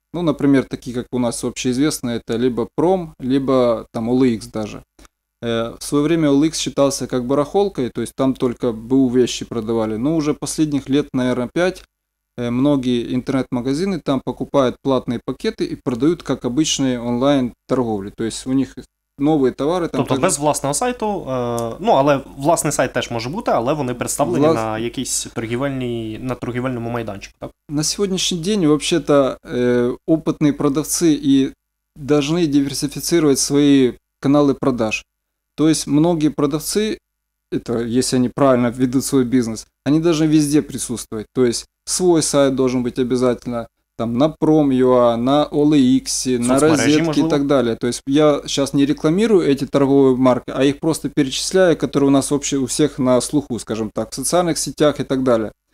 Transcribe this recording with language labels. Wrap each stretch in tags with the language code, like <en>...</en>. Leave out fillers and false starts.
<ru>Ну, например, такие, как у нас общеизвестные, это либо Пром, либо там OLX даже. В свое время OLX считался как барахолкой, то есть там только БУ вещи продавали. Но уже последних лет, наверное, 5, многие интернет-магазины там покупают платные пакеты и продают как обычные онлайн-торговли. То есть у них новые товары.</ru> <uk>Там тобто без власного сайту, ну, але власний сайт теж може бути, але вони представлені на якійсь торгівельній, на торгівельному майданчику. Так? На сьогоднішній день, взагалі-то, опитні продавці і повинні диверсифіцировать свої канали продаж. Тобто, многі продавці,</uk> <ru>это, если они правильно ведут свой бизнес, они должны везде присутствовать. То есть свой сайт должен быть обязательно там на Prom.ua, на OLX, на Розетки и так далее. То есть я сейчас не рекламирую эти торговые марки, а их просто перечисляю, которые у нас вообще у всех на слуху, скажем так, в социальных сетях и так далее.</ru>